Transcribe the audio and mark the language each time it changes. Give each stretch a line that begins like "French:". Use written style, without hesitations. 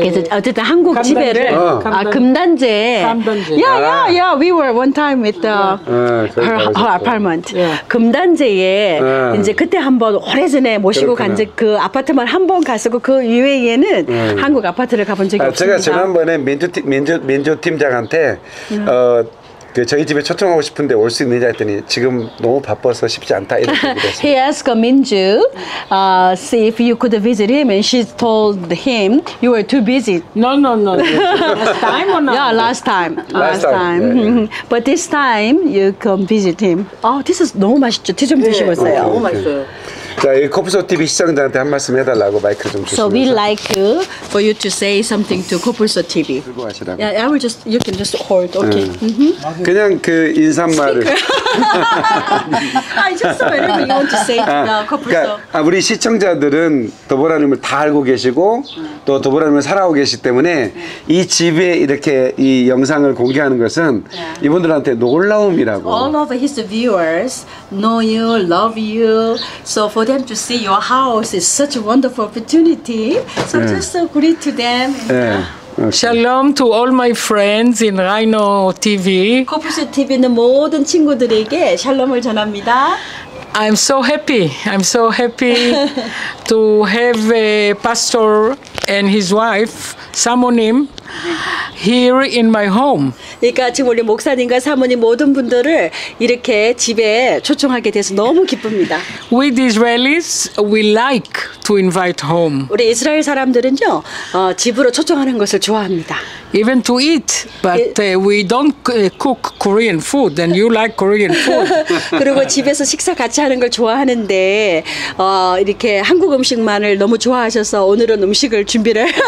Korean: 어쨌든 한국 집에를 금단제.
English: 야야야, yeah, yeah, yeah. We were one time with the her, her apartment. Yeah.
Korean: 금단제에 이제 그때 한번 오래전에 모시고 간 적 그 아파트만 한번 갔었고 그 이외에는 한국 아파트를 가본 적이 없습니다. 제가 지난번에 민주 팀장한테 그 저희 집에 초청하고 싶은데 올 수 있느냐 했더니 지금 너무 바빠서 쉽지 않다 이렇게 얘기했어요.
English: He asked Minju, see if you could visit him, and she told him you were too busy. No. Last time or not? Yeah, last time. Last time. Yeah, yeah. But this time you come visit him. Oh, this is
Korean: 너무 맛있죠. 티 좀 드셔보세요. 너무 맛있어요. 자, 이 코프소 TV 시청자한테 한 말씀 해달라고 마이크 좀 주시면.
English: So we like for you to say something to 코프소 TV.
Korean: 들고 가시라고.
English: Yeah, I will just, you can just hold, okay.
Korean: 그냥 그 인사말을.
English: I just whatever you want to say to the 코프소.
Korean: 그러니까 우리 시청자들은 더보라님을 다 알고 계시고 또 더보라님을 살아오 계시기 때문에 이 집에 이렇게 이 영상을 공개하는 것은 이분들한테 놀라움이라고.
English: All of his viewers know you, love you, so. For them to see your house is such a wonderful opportunity. So just greet to them. Okay. Shalom to all my friends in Rhino TV.
Korean: 코프소 TV는 모든 친구들에게 샬롬을 전합니다.
English: I'm so happy. I'm so happy to have a pastor and his wife, Samonim, here in my home.
Korean: 그러니까 지금 우리 목사님과 사모님 모든 분들을 이렇게 집에 초청하게 돼서 너무 기쁩니다.
English: We Israelis, we like to invite home.
Korean: 우리 이스라엘 사람들은요, 집으로 초청하는 것을 좋아합니다.
English: Even to eat, but we don't cook Korean food, and you like Korean food.
Korean: 그리고 집에서 식사 같이 하는 걸 좋아하는데 이렇게 한국 음식만을 너무 좋아하셔서 오늘은 음식을 준비를.